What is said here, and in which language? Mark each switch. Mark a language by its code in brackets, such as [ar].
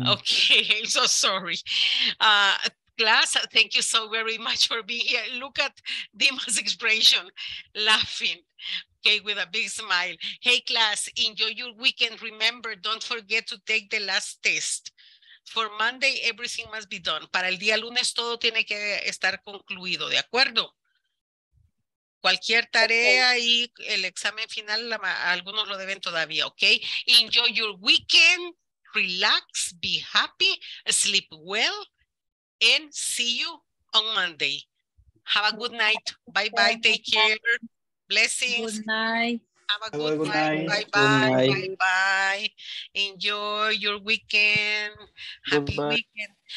[en] I'm so sorry. Class, thank you so very much for being here. Look at Dima's expression, laughing, okay, with a big smile. Hey, class, enjoy your weekend. Remember, don't forget to take the last test. For Monday, everything must be done. [es] Para el día lunes, todo tiene que estar concluido, ¿de acuerdo? Cualquier tarea y el examen final, algunos lo deben todavía, ¿ok? [en] Enjoy your weekend, relax, be happy, sleep well, and see you on Monday. Have a good night. Bye-bye, take care. Blessings. Good night. Have a good night. Bye-bye. Bye-bye. Enjoy your weekend. Happy weekend.